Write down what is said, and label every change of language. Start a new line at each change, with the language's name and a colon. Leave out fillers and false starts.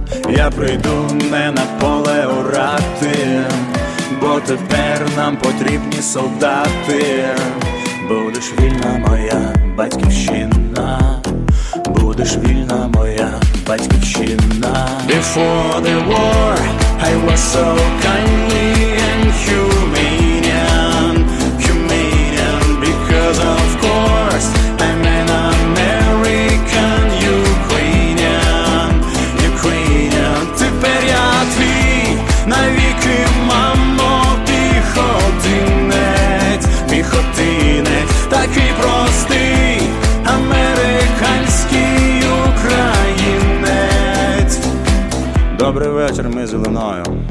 Ukrainian: Я прийду не на поле орати, бо тепер нам потрібні солдати. Будеш вільна моя батьківщина, будеш вільна моя батьківщина.
English: Before the war I was so kindly and humanian, humanian, because of course I'm an American, Ukrainian, Ukrainian.
Ukrainian: Тепер я твій навіки, мамо, піхотинець, піхотинець, такий простий американський українець. Добрий вечір, ми з Іллиною.